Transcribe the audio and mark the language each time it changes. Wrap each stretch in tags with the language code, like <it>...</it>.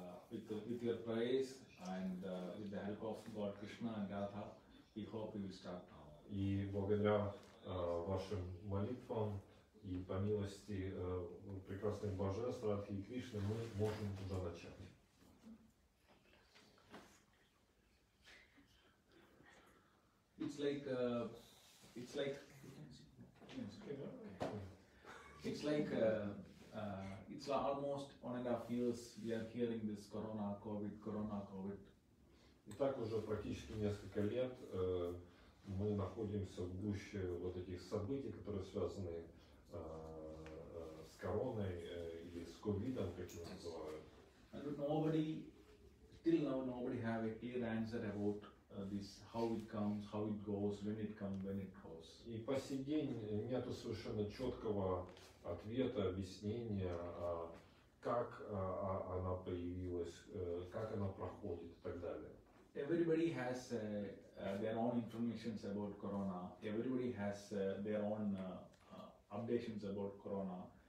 <en>With your prayers and with the help of God Krishna and Radha, we hope we will start now.</en> <ru>И благодаря вашим молитвам и по милости прекрасных божеств Радхи и Кришны мы можем уже начать.</ru> <en>It's almost 1.5 years we are hearing this corona, COVID.</en> <ru>И так уже практически несколько лет мы находимся в гуще вот этих событий, которые связаны с короной или с ковидом, как его называют.</ru> <en>And nobody, still now, nobody have a clear answer about. This how it comes, how it goes, when it comes, when it goes.</en> <ru>И по сей день нету совершенно четкого ответа, объяснения, как она появилась, как она проходит и так далее.</ru> <en>Everybody has their own information about corona. Everybody has their own updates about corona.</en>